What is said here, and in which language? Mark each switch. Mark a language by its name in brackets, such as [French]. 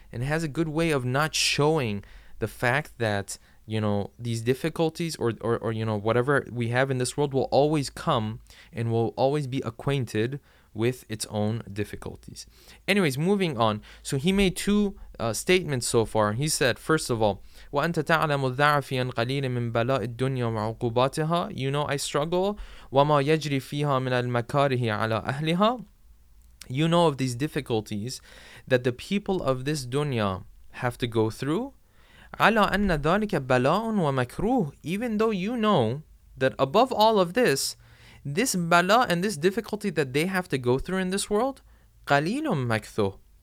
[English] And it has a good way of not showing the fact that, you know, these difficulties or you know, whatever we have in this world will always come and will always be acquainted with its own difficulties. Anyways, moving on. So he made two statements so far. He said, first of all, [Arabic] وَأَنْتَ تَعْلَمُ ذَعْفِيًا قَلِيلًا مِنْ بَلَاءِ الدُّنْيَا وَعُقُوبَاتِهَا. [English] You know I struggle. [Arabic] وَمَا يَجْرِي فِيهَا مِنَ الْمَكَارِهِ عَلَىٰ أَهْلِهَا. [English] You know of these difficulties that the people of this dunya have to go through. [Arabic] عَلَىٰ أَنَّ ذَلِكَ بَلَاءٌ وَمَكْرُوهٌ. [English] Even though you know that above all of this, this bala and this difficulty that they have to go through in this world, [Arabic] قَلِيلٌ مَكْثُهُ.